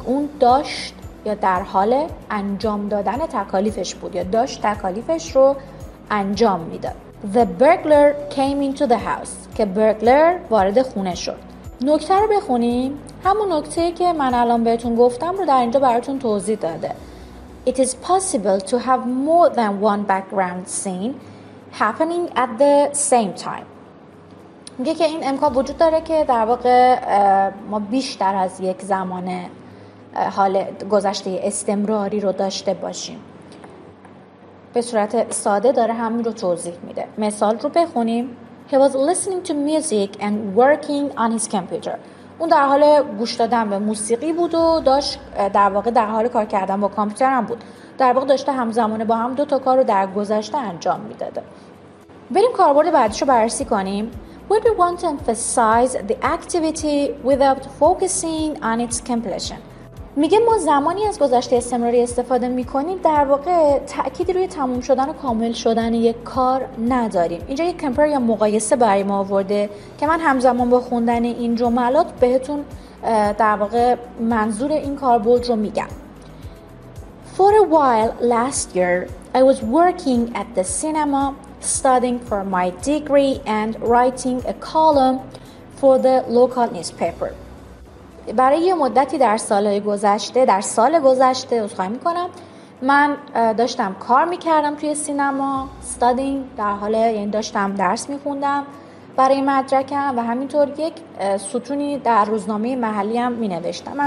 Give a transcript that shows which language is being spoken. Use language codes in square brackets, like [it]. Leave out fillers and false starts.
[fa] اون داشت یا در حال انجام دادن تکالیفش بود یا داشت تکالیفش رو انجام میداد. [en] The burglar came into the house. [fa] که برگلر وارد خونه شد. نکته رو بخونیم. همون نکته که من الان بهتون گفتم رو در اینجا براتون توضیح داده. [en] It is possible to have more than one background scene happening at the same time. [fa] میگه که این امکان وجود داره که در واقع ما بیشتر از یک زمان حال گذشته استمراری رو داشته باشیم. به صورت ساده داره همین رو توضیح میده. مثال رو بخونیم. [en] He was listening to music and working on his computer. [fa] اون در حال گوش دادن به موسیقی بود و داشت در واقع در حال کار کردن با کامپیوتر هم بود. در واقع داشته همزمانه با هم دو تا کار رو در گذشته انجام میداده. بریم کاربرد بعدیش رو بررسی کنیم. [en] Would we want to emphasize the activity without focusing on its completion? [fa] میگه ما زمانی از گذشته استمراری استفاده میکنیم در واقع تأکیدی روی تموم شدن و کامل شدن یک کار نداریم. اینجا یک کمپر یا مقایسه برای ما آورده که من همزمان با خوندن این جملات بهتون در واقع منظور این کاربرد رو میگم. [en] For a while last year I was working at the cinema studying for my degree and writing a column for the local newspaper. [fa] برای یه مدتی در سالهای گذشته، در سال گذشته عذرخواهی میکنم، من داشتم کار میکردم توی سینما، studying در حال یعنی داشتم درس میخوندم برای مدرکم و همینطور یک ستونی در روزنامه محلی هم مینوشتم.